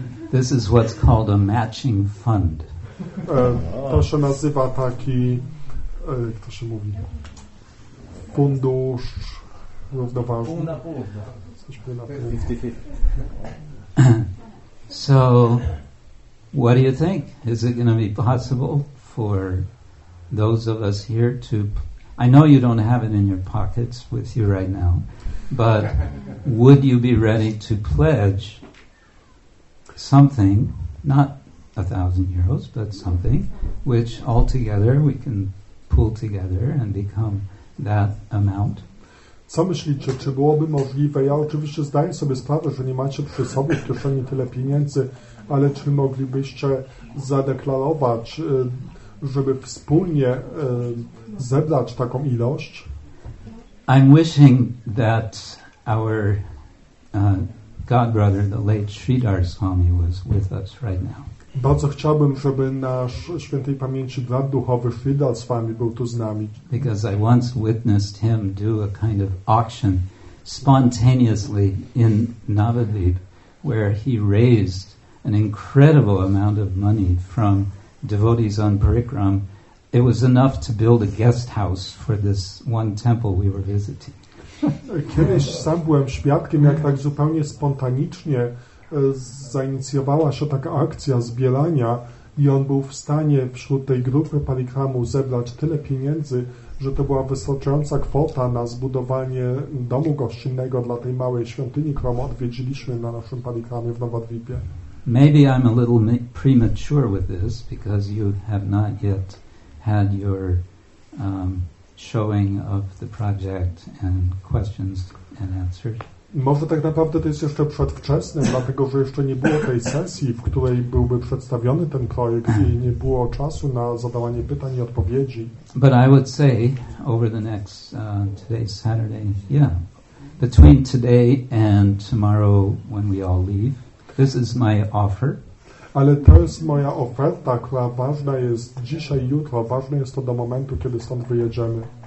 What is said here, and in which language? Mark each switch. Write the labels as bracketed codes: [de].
[en] This is what's called a matching fund. [pl] To się nazywa taki jak to się mówi, fundusz równoważny. Pół na pół. Coś pół na pół. [en] So, what do you think? Is it going to be possible for those of us here to... I know you don't have it in your pockets with you right now, but would you be ready to pledge something, not 1,000 euros, but something, which all together we can pull together and become that amount? [pl] Co myślicie, czy byłoby możliwe? Ja oczywiście zdaję sobie sprawę, że nie macie przy sobie w kieszeni tyle pieniędzy, ale czy moglibyście zadeklarować, żeby wspólnie zebrać taką ilość? [en] I'm wishing that our God brother, the late Sridhar Swami, was with us right now. [pl] Bardzo chciałbym, żeby nasz świętej pamięci brat duchowy Sridhar Swami był tu z nami. [en] Because I once witnessed him do a kind of auction spontaneously in Navadvip, where he raised an incredible amount of money from devotees on Parikram. It was enough to build a guest house for this one temple we were visiting. [pl] Kiedyś sam byłem świadkiem, jak tak zupełnie spontanicznie zainicjowała się taka akcja zbierania i on był w stanie wśród tej grupy Parikramu zebrać tyle pieniędzy, że to była wystarczająca kwota na zbudowanie domu gościnnego dla tej małej świątyni, którą odwiedziliśmy na naszym Parikramie w Navadvipie. [en] Maybe I'm a little premature with this because you have not yet had your showing of the project and questions and answers. [pl] Może tak naprawdę to jest jeszcze przedwczesne, dlatego że jeszcze nie było tej sesji, w której byłby przedstawiony ten projekt i nie było czasu na zadawanie pytań i odpowiedzi. [en] But I would say over the next today's Saturday, yeah, between today and tomorrow when we all leave, this is my offer. [pl] Ale to jest moja oferta, która ważna jest dzisiaj, jutro. Ważne jest to do momentu, kiedy stąd wyjedziemy.